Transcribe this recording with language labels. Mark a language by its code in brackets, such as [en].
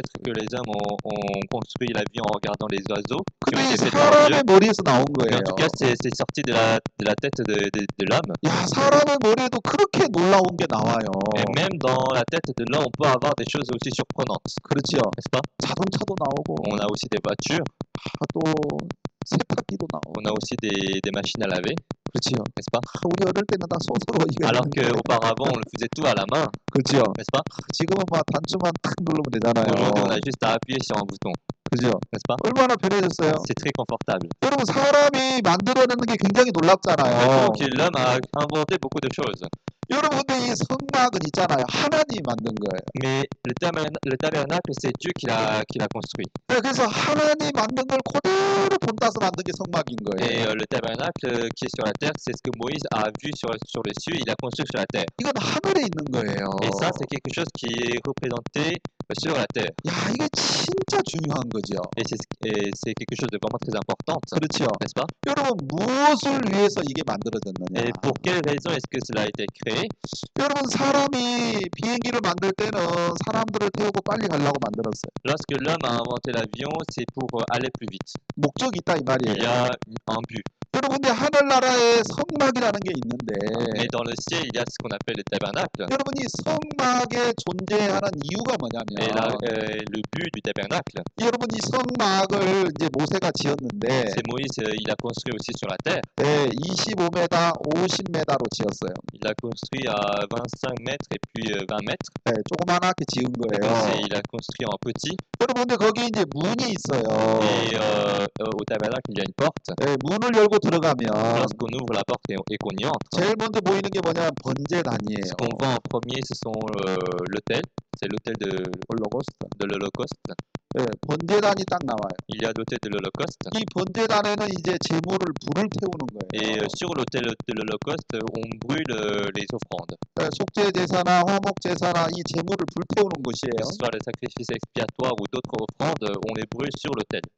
[fr] Peut-être que les hommes ont construit l'avion en regardant les oiseaux [ko] 있고. 근데 [fr] ont [ko] 이 [fr] été faits par Dieu. [ko] 사람의 머리에서 나온 [fr] Mais en tout cas, [ko] 거예요. [fr] c'est sorti de la tête de l'homme. [ko] 야, 사람의 머리에도 그렇게 놀라운 게 [fr] Et [ko] 나와요. [fr] même dans la tête de l'homme, on peut avoir des choses aussi surprenantes. [ko] 그렇죠? [fr] N'est-ce pas? [ko] 자동차도 나오고, [fr] a aussi des voitures. [ko] 또 세탁기도 [fr] On a [ko] 나오고. [fr] aussi des machines à laver. [ko] 그렇죠? [fr] N'est-ce pas? [ko] 우리 어릴 때는 다 손으로 [fr] Alors [ko] 이겼는데. [fr] qu'auparavant, on le faisait tout à la main. [ko] 그렇죠? [fr] N'est-ce pas? [ko] 지금은 막 단추만 탁 누르면 [fr] Aujourd'hui, on [ko] 되잖아요. [fr] a juste à appuyer sur un bouton. [ko] 그죠? [fr] N'est-ce pas? [ko] 얼마나 편해졌어요? [fr] C'est très confortable. [ko] 여러분, 사람이 만들어내는 게 굉장히 [fr] Maintenant [ko] 놀랍잖아요. [fr] que l'homme a inventé beaucoup de choses. [ko] 여러분, 근데 이 성막은 있잖아요. 하나님이 만든 [fr] Mais le tabernacle, c'est Dieu qui l'a construit. [ko] 거예요. 그래서 하나님이 만든 걸 그대로 본따서 만든 게 성막인 [fr] Et [ko] 거예요. [fr] le tabernacle qui est sur la terre, c'est ce que Moïse a vu sur les cieux, il a construit sur la terre. [ko] 이건 하늘에 있는 [fr] Et ça, [ko] 거예요. [fr] c'est quelque chose qui est représenté sur la terre. [ko] 야, 이게 진짜 중요한 거죠. [fr] Et c'est quelque chose de vraiment très important, [ko] 그렇죠? [fr] n'est-ce pas? [ko] 여러분, 무엇을 위해서 이게 만들어졌느냐? [fr] Et pour quelle raison est-ce que cela a été créé? [ko] 여러분, 사람이 비행기를 만들 때는 사람들을 태우고 빨리 가려고 만들었어요. [fr] Lorsque l'homme a inventé l'avion, c'est pour aller plus vite. [ko] 목적이 있다, 이 [fr] Il y [ko] 말이에요. [fr] a un but. [ko] 여러분, 근데 하늘나라에 성막이라는 게 있는데, [fr] Mais dans le ciel, il y a ce qu'on appelle le tabernacle. [ko] 여러분, 이 성막에 존재하는 이유가 뭐냐면, [fr] le but du tabernacle, [ko] 여러분, 이 성막을 이제 모세가 지었는데, [fr] c'est Moïse, il a construit aussi sur la terre. [ko] 네, 25m, 50m로 지었어요. [fr] Il a construit à 25 mètres et puis 20 mètres. [ko] 네, 조그만하게 지은 [fr] Donc, [ko] 거예요. [fr] il a construit en petit. [ko] 여러분, 근데 거기 이제 문이 [fr] Et [ko] 있어요. [fr] au tabernacle, il y a une porte. [ko] 네, 문을 열고 들어가면 [fr] Lorsqu'on ouvre la porte et qu'on y entre, [ko] 제일 먼저 보이는 게 뭐냐면 [fr] ce qu'on [ko] 번제단이에요. [fr] voit en premier, ce sont l'autel. C'est l'autel [ko] 홀로코스트. [fr] de l'Holocauste. [ko] 예, 번제단이 딱 나와요. [fr] Il y a l'autel de l'Holocauste. [ko] 이 번제단에는 이제 제물을 불을 태우는 [fr] Et [ko] 거예요. [fr] sur l'autel de l'Holocauste, on brûle les offrandes. [ko] 예, 속죄 제사나 화목 제사나 이 제물을 불 태우는 [fr] Que ce [ko] 곳이에요. [fr] soit les sacrifices expiatoires ou d'autres offrandes, on les brûle sur l'autel.